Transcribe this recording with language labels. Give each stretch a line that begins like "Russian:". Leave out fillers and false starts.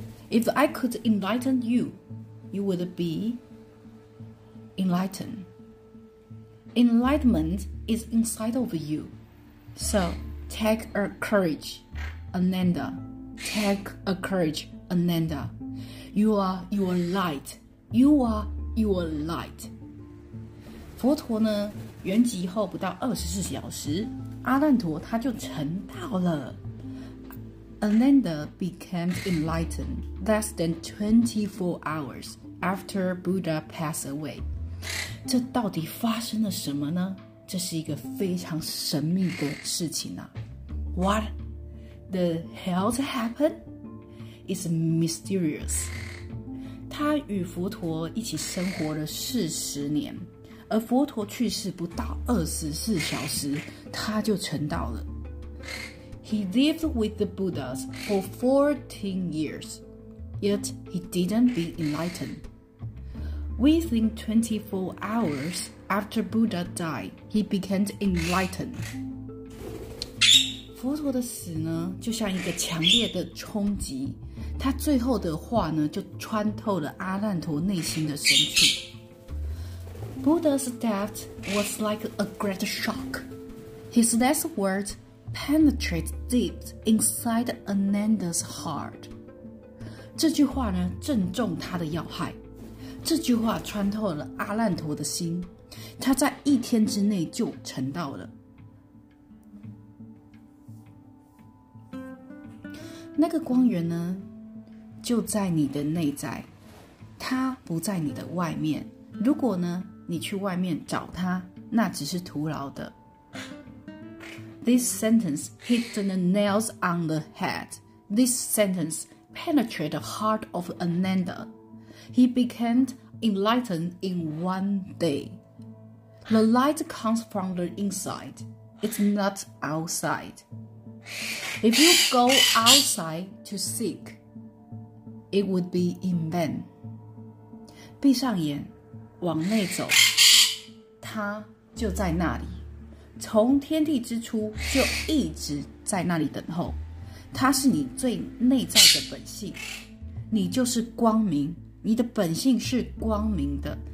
English: If I could enlighten you, you would be enlightened. Enlightenment is inside of you. So take a courage, Ananda. Take a courage, Ananda. You are your light. You are your light.
Chinese: 佛陀呢圆寂后不到24小时，阿难陀他就成道了。
English: Ananda became enlightened less than 24 hours after Buddha passed away。
Chinese: 这到底发生了什么呢？这是一个非常神秘的事情啊。
English: What the hell happened? It's mysterious。
Chinese: 他与佛陀一起生活了40年，而佛陀去世不到24小时，他就成道了。
English: He lived with the Buddhas for 14 years, yet he didn't be enlightened. Within 24 hours after Buddha died, he became enlightened.
Chinese: 佛陀的死呢，就像一个强烈的冲击，他最后的话呢，就穿透了阿难陀内心的深处。
English: Buddha's death was like a great shock. His last words penetrated deep inside Ananda's heart.
Chinese: 这句话呢，正中他的要害。这句话穿透了阿难陀的心。他在一天之内就成道了。那个光源呢，就在你的内在，它不在你的外面。如果呢，你去外面找他，那只是徒劳的。
English: This sentence hit the nails on the head. This sentence penetrated the heart of Ananda. He became enlightened in one day. The light comes from the inside. It's not outside. If you go outside to seek, it would be in vain.
Chinese: 闭上眼，往内走，他就在那里，从天地之初就一直在那里等候。他是你最内在的本性，你就是光明，你的本性是光明的。